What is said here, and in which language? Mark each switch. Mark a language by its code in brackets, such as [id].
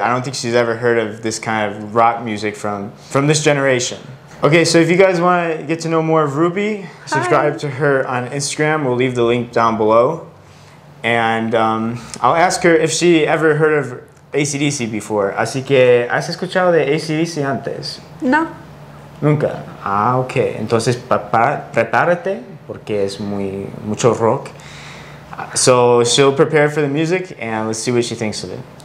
[en] I don't think she's ever heard of this kind of rock music from this generation. Okay, so if you guys want to get to know more of Ruby, subscribe to her on Instagram. We'll leave the link down below. And I'll ask her if she ever heard of AC/DC before. [es] Así que, ¿has escuchado de AC/DC antes? No. Nunca. Ah, ok. Entonces, prepárate, porque es mucho rock. [en] So, she'll prepare for the music, and let's see what she thinks of it.